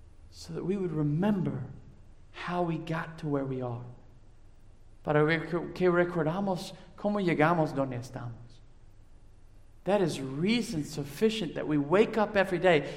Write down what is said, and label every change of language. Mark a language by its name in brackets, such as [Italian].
[English] So that we would remember how we got to where we are. [Spanish] Para que recordamos cómo llegamos donde estamos. [English] That is reason sufficient that we wake up every day.